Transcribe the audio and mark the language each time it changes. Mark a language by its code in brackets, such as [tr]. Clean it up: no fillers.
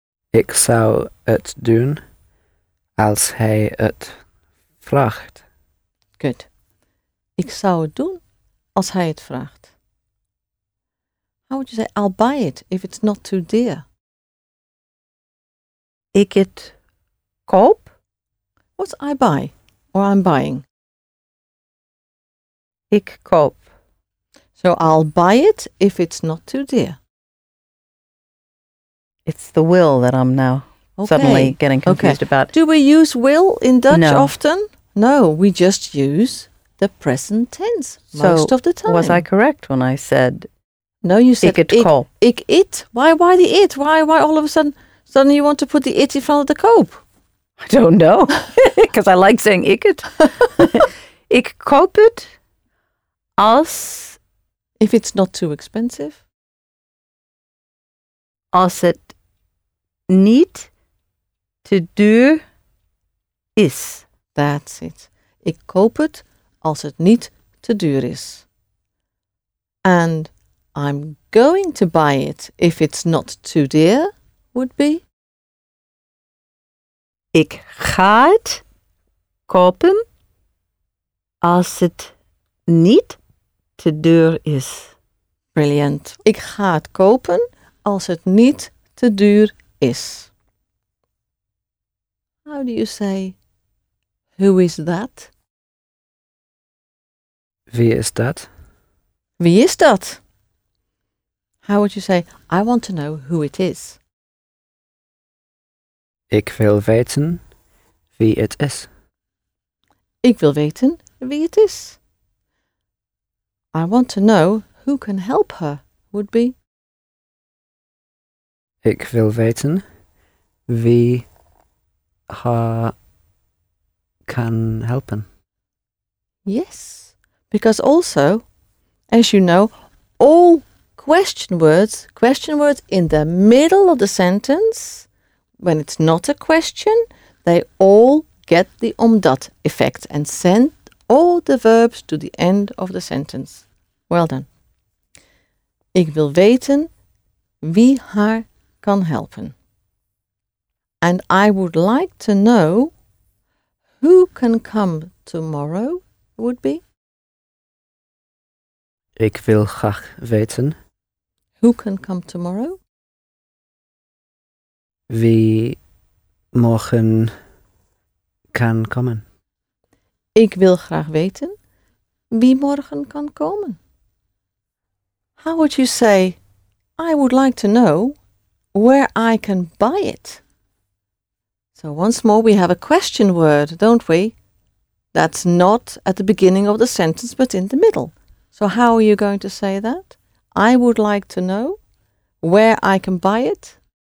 [nl] ik zou het doen als hij het vraagt. [en] Good. [nl] Ik zou het doen als hij het vraagt. [en] How would you say, I'll buy it if it's not too dear? [nl] Ik het koop. [en] What's I buy or I'm buying? [nl] Ik koop. [en] So I'll buy it if it's not too dear. It's the will that I'm now suddenly getting confused about. Do we use will in Dutch often? No, we just use the present tense most of the time. Was I correct when I said no, you said [nl] ik het koop. [en] Ik it. Why the it? Why all of a sudden suddenly you want to put the it in front of the koop? I don't know. Because I like saying ik it. [nl] Ik koop het. Als, [en] if it's not too expensive, [nl] als het niet te duur is. [en] That's it. [nl] Ik koop het als het niet te duur is. [en] And I'm going to buy it if it's not too dear would be. [nl] Ik ga het kopen als het niet te duur is. [en] Brilliant. [nl] Ik ga het kopen als het niet te duur is. [en] How do you say who is that? [nl] Wie is dat? Wie is dat? [en] How would you say I want to know who it is? [nl] Ik wil weten wie het is. Ik wil weten wie het is. [en] I want to know who can help her would be. [nl] Ik wil weten wie haar kan helpen. [en] Yes, because also, as you know, all question words in the middle of the sentence, when it's not a question, they all get the omdat effect and send all the verbs to the end of the sentence. Well done. [nl] Ik wil weten wie haar kan helpen. [en] And I would like to know who can come tomorrow would be. [nl] Ik wil graag weten. [en] Who can come tomorrow? [nl] Wie morgen kan komen. Ik wil graag weten wie morgen kan komen. [en] How would you say, I would like to know where I can buy it? So once more, we have a question word, don't we? That's not at the beginning of the sentence, but in the middle. So how are you going to say that? I would like to know where I can buy it.